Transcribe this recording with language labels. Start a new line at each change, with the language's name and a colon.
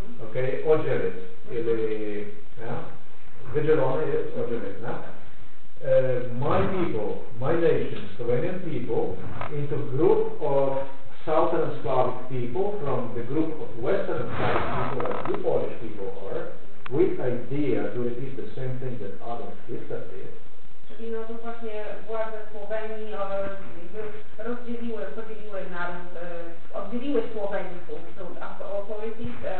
Polish: Okay, oddzielić, czyli wydzielone jest, oddzielić, na?
English: My people, my nation, Slovenian people, into group of Southern Slavic people from the group of Western Slavic people that you Polish people are, with idea to repeat the same thing that Adolf Hitler did.
Polish: Czyli no to właśnie władze Słowenii rozdzieliły, podzieliły naród, oddzieliły Słoweńców,
English: so authorities,